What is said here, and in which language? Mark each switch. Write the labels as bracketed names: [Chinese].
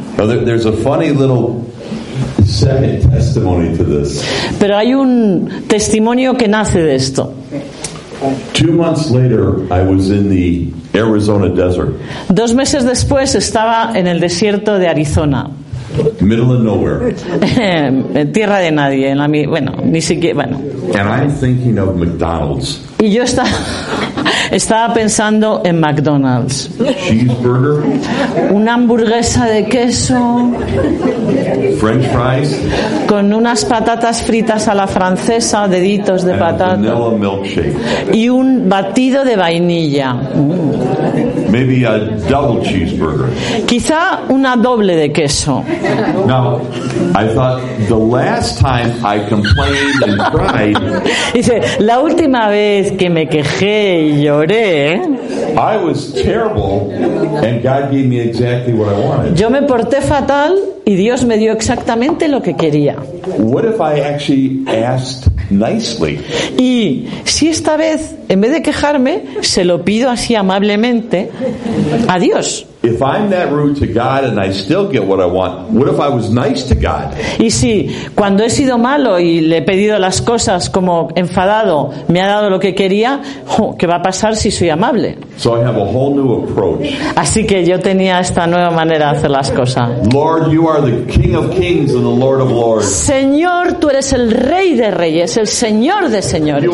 [English] Now there's a funny little second testimony to this. [Spanish] Pero hay un testimonio que nace de esto. [English] 2 months later, I was in the Arizona desert. [Spanish] 2 meses después estaba en el desierto de Arizona. [English] Middle of nowhere. [Spanish] Tierra de nadie, en la, bueno, ni siquiera, bueno. [English] And I'm thinking of McDonald's. [Spanish] Y yo estaba pensando en McDonald's. [English] Cheeseburger. [Spanish] Una hamburguesa de queso. [English] French fries. [Spanish] Con unas patatas fritas a la francesa, deditos de [English] and [Spanish] patata. [English] A vanilla milkshake. [Spanish] Y un batido de vainilla. [English] Maybe a double cheeseburger. [Spanish] Quizá una doble de queso. [English] Now, I thought the last time I complained and cried. [Spanish] Dice, la última vez que me quejé y lloré. [English] I was terrible, and God gave me exactly what I wanted. [Spanish] Yo me porté fatal y Dios me dio exactamente lo que quería. [English] What if I actually asked nicely? [Spanish] Y si esta vez, en vez de quejarme, se lo pido así amablemente a Dios. [English] If I'm that rude to God and I still get what I want, what if I was nice to God? [Spanish] Y si cuando he sido malo y le he pedido las cosas como enfadado, me ha dado lo que quería, ¿qué va a pasar si soy amable? [English] So I have a whole new approach. [Spanish] Así que yo tenía esta nueva manera de hacer las cosas. [English] Lord, you are the King of Kings and the Lord of Lords. [Spanish] Señor, tú eres el Rey de Reyes, el Señor de Señores.